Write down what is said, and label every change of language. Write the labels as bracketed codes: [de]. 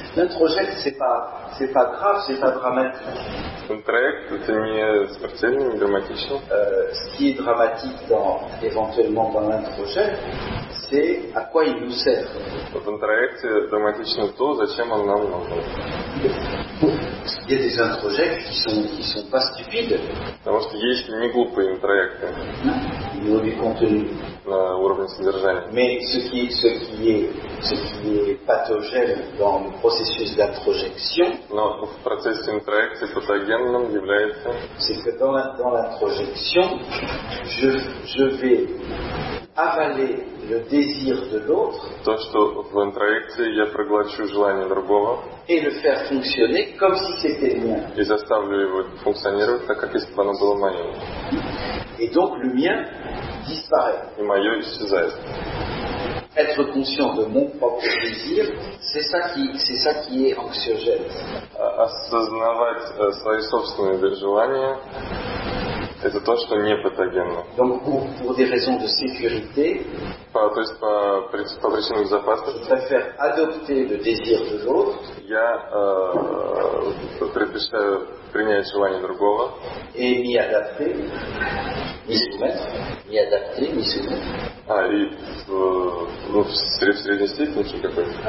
[fr] L'introject c'est pas grave, c'est pas dramatique. [ru] Интроект это не смертельно, не драматично. [fr] Ce qui est dramatique éventuellement dans l'introject, c'est à quoi il nous sert. [ru] Вот в интроекте драматично то, зачем он нам нужен. [fr] Il y a des introjects qui sont pas stupides. [ru] Потому что есть не глупые интроекты. [fr] Ils ont du contenu. [ru] На уровне содержания. [fr] Mais ce qui est pathogène dans le processus d'introjection. [ru] Но в процессе интроекции патогенным является. [fr] C'est que dans l'introjection, je vais avaler le désir de l'autre. [ru] То, что в интроекции я проглочу желание другого. [fr] Et le faire fonctionner comme si c'était le mien. [ru] И заставлю его функционировать так, как если бы оно было моим. [fr] Et donc le mien disparaît. [ru] И мое исчезает. [fr] Être conscient de mon propre désir, c'est ça qui est anxiogène. [ru] Осознавать свои собственные желания, это то, что не патогенно. [fr] Donc pour des raisons de sécurité, [ru] по причинам безопасности, [fr] je préfère adopter le désir de l'autre. [ru] Я предпочитаю принять желание другого. [fr] Et m'y adapter, m'y soumettre. M'y adapter, m'y soumettre. [ru] А, и в средней степени что-то такое?